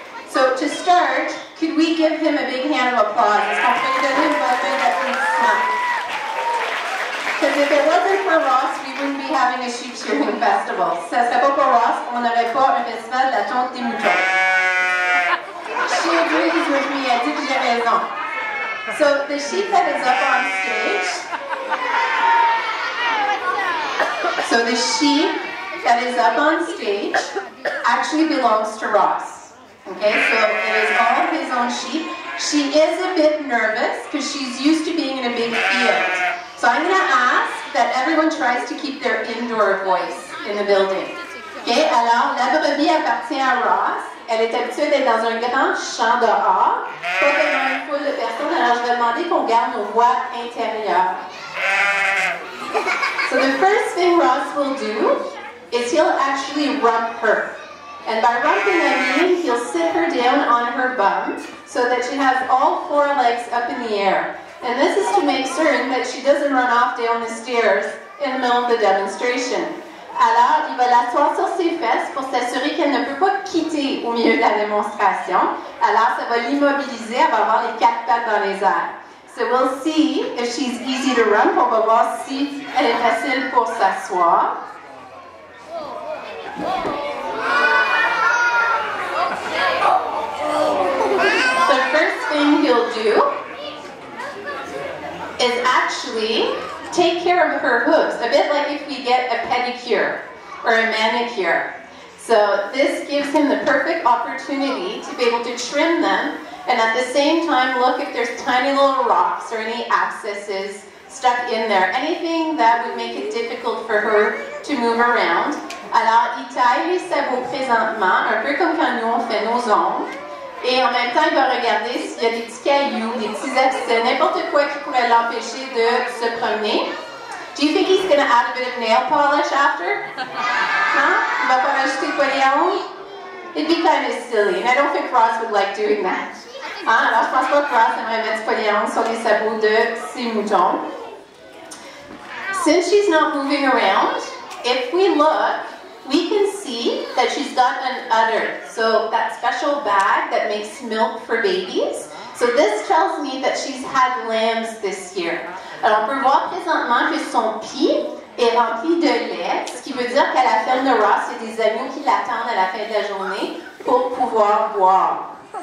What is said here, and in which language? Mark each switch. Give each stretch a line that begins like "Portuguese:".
English: So, to start, could we give him a big hand of applause?
French: Est-ce qu'on peut lui donner une bonne main d'applaudissement?
English: Because if it wasn't for Ross, we wouldn't be having a sheep shearing festival.
French: Si ça serait pas pour Ross, on n'aurait pas un festival de la tonte des moutons.
English: She agrees with me,
French: elle dit que j'ai raison.
English: So the sheep head is up on stage. So the sheep that is up on stage actually belongs to Ross. Okay, so it is all his own sheep. She is a bit nervous because she's used to being in a big field. So I'm going to ask that everyone tries to keep their indoor voice in the building.
French: Okay, alors la brebis appartient à Ross. Elle est habituée d'être dans un grand champ dehors, pas dans une foule de personnes, alors je vais demander qu'on garde nos voix intérieures.
English: So the first thing Ross will do is he'll actually rump her. And by rumping, I mean he'll sit her down on her bum so that she has all four legs up in the air. And this is to make certain that she doesn't run off down the stairs in the middle of the demonstration.
French: Alors, il va l'asseoir sur ses fesses pour s'assurer qu'elle ne peut pas quitter au milieu de la démonstration. Alors, ça va l'immobiliser, elle va avoir les quatre pattes dans les airs.
English: So we'll see if she's easy to rump.
French: On va voir si elle est facile pour s'asseoir.
English: The first thing he'll do is actually take care of her hooves, a bit like if we get a pedicure or a manicure. So this gives him the perfect opportunity to be able to trim them and at the same time look if there's tiny little rocks or any abscesses stuck in there, anything that would make it difficult for her to move around.
French: Alors, il taille les sabots présentement, un peu comme quand nous on fait nos ongles. Et en même temps, il va regarder s'il y a des petits cailloux, des petits abscès, n'importe quoi qui pourrait l'empêcher de se promener.
English: Do you think he's going to add a bit of nail polish after? Huh?
French: Il va pas rajouter quoi les ongles?
English: It'd be kind of silly, and I don't think Ross would like doing that. Hein?
French: Alors, je pense pas que Ross aimerait mettre quoi les ongles sur les sabots de ses moutons.
English: Since she's not moving around, if we look, we can see that she's got an udder, so that special bag that makes milk for babies. So this tells me that she's had lambs this year.
French: Alors, on peut voir présentement que son pied est rempli de lait, ce qui veut dire qu'à la ferme de Ross, il y a des agneaux qui l'attendent à la fin de la journée pour pouvoir boire.